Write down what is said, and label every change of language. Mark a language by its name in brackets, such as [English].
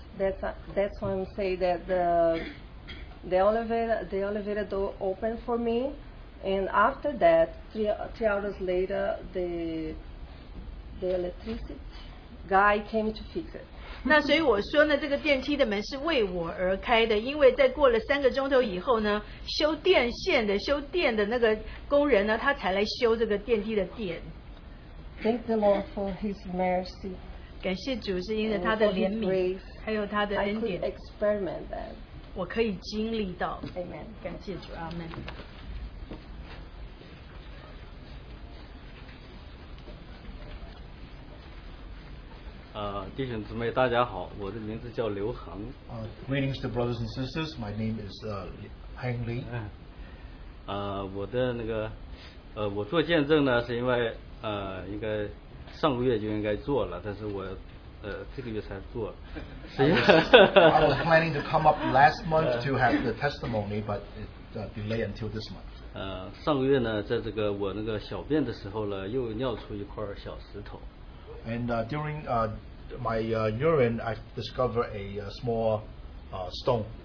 [English] That's why I'm saying that the elevator door opened for me, and after that, three hours later, the electricity guy came to fix it. [Chinese] 那所以我说呢，这个电梯的门是为我而开的，因为在过了三个钟头以后呢，修电线的修电的那个工人呢，他才来修这个电梯的电。Thank [English] the Lord for His mercy. [Chinese] 感谢主，是因着他的怜悯，还有他的恩典。I [English] could experiment that. [Chinese] 我可以经历到。Amen. 感谢主，阿门。弟兄姊妹大家好，我的名字叫刘恒。 [English] Greetings to brothers and sisters. My name is Hang Lee. [Chinese] 我做见证呢，是因为应该上个月就应该做了，但是我这个月才做，是因为。 [English] I was planning to come up last month to have the testimony, but it delayed until this month. [Chinese] 上个月呢，在这个我那个小便的时候呢，又尿出一块小石头。 [English] And during my urine, I discovered a small stone.